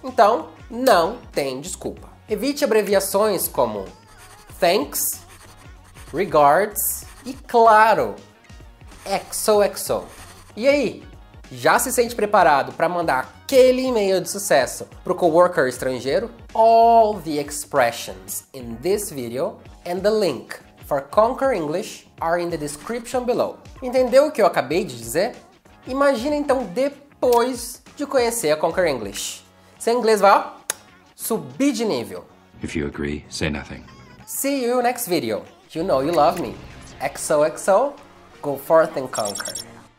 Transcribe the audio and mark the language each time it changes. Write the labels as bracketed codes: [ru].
[pt] Então, não tem desculpa. Evite abreviações como thanks, regards e, claro, XOXO. E aí? Já se sente preparado para mandar aquele e-mail de sucesso pro coworker estrangeiro? [en] All the expressions in this video and the link for Conquer English are in the description below. [pt] Entendeu o que eu acabei de dizer? Imagina então depois de conhecer a Conquer English. Seu inglês vai subir de nível. [en] If you agree, say nothing. See you next video. You know you love me. XOXO, go forth and conquer.